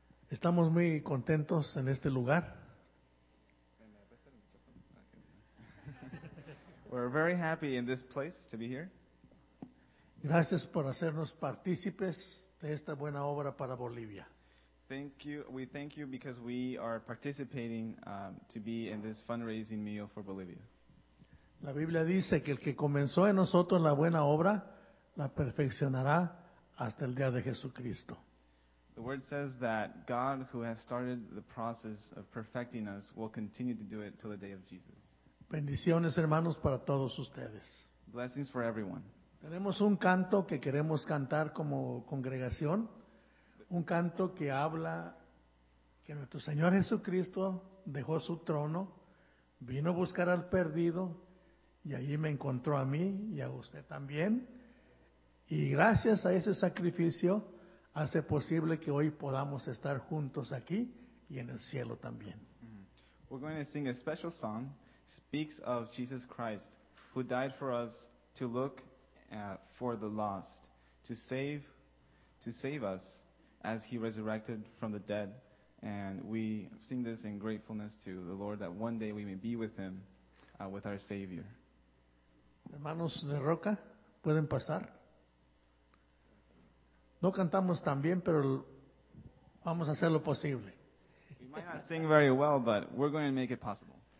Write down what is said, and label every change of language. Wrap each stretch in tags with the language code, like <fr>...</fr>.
<es>Estamos muy contentos en este lugar.</es> <en>We're very happy in this place to be here.</en> <es>Gracias por hacernos partícipes de esta buena obra para Bolivia.</es> <en>Thank you. We thank you because we are participating to be in this fundraising meal for Bolivia.</en> <es>La Biblia dice que el que comenzó en nosotros la buena obra la perfeccionará hasta el día de Jesucristo.</es> <en>The word says that God, who has started the process of perfecting us, will continue to do it till the day of Jesus.</en> <es>Bendiciones, hermanos, para todos ustedes.</es> <en>Blessings for everyone.</en> <es>Tenemos un canto que queremos cantar como congregación, un canto que habla que nuestro Señor Jesucristo dejó su trono, vino a buscar al perdido, y allí me encontró a mí y a usted también. Y gracias a ese sacrificio, hace posible que hoy podamos estar juntos aquí y en el cielo también.</es> <en>We're going to sing a special song. Speaks of Jesus Christ, who died for us to look for the lost, to save us as he resurrected from the dead. And we sing this in gratefulness to the Lord that one day we may be with him, with our Savior.</en> <es>Hermanos de Roca, pueden pasar. No cantamos tan bien, pero vamos a hacer lo posible.</es> <en>We might not sing very well, but we're going to make it possible.</en>